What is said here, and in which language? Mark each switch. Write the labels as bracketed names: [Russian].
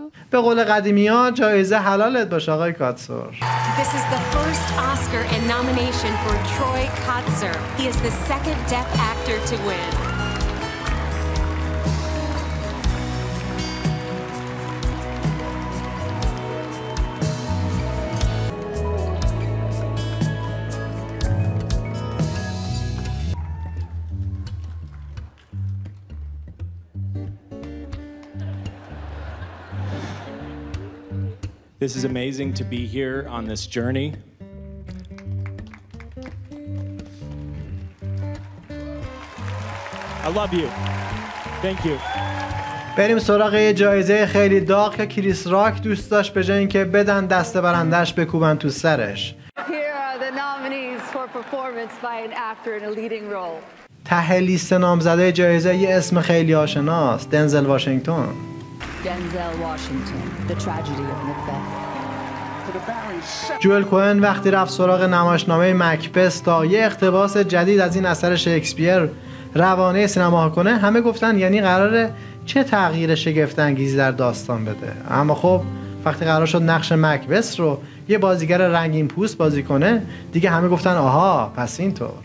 [Persian] به قول قدیمی ها جایزه حلالت باشه آقای کاتسور. [English] This is the first Oscar and nomination for Troy Kotsur. He is the second deaf actor to win. This is amazing to be here on this journey. I love you. Thank you. [Persian] بریم سراغ یه جایزه خیلی داغ که کریس راک دوست داشت به جای اینکه بدن دست برندش بکوبن تو سرش. [English] Here are the nominees for performance by an actor in a leading role. [Persian] ته لیست نامزده جایزه یه اسم خیلی آشناست، دنزل واشنگتن. دنزل واشنگتن، The Tragedy of Macbeth. جوئل کوهن وقتی رفت سراغ نمایشنامه مکبث تا یه اقتباس جدید از این اثر شکسپیر روانه سینما کنه، همه گفتن یعنی قراره چه تغییر شگفت انگیزی در داستان بده. اما خب وقتی قرار شد نقش مکبث رو یه بازیگر رنگین پوست بازی کنه، دیگه همه گفتن آها پس اینطور.